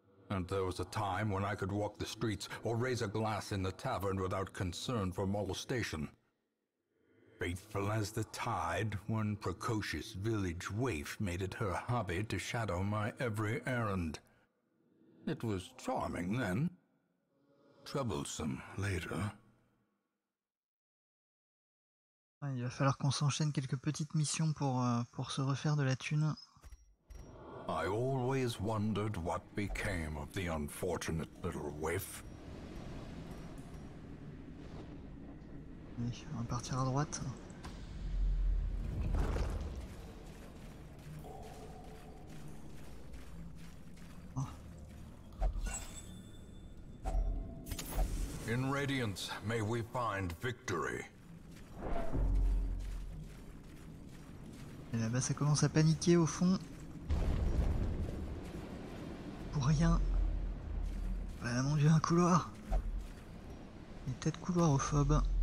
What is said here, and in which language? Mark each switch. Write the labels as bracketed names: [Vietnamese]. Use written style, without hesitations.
[English] And there was a time when I could walk the streets or raise a glass in the tavern without concern for molestation. Faithful as the tide, one precocious village waif made it her hobby to shadow my every errand. It was charming then, troublesome later. [French] Il va falloir qu'on s'enchaîne quelques petites missions pour se refaire de la thune. [English] I always wondered what became of the unfortunate little whiff. [French] Allez, on va partir à droite. Oh. [English] In radiance, may we find victory. [French] Et là-bas, ça commence à paniquer au fond. Pour rien. Bah, mon dieu, un couloir. Il est peut-être couloirophobe.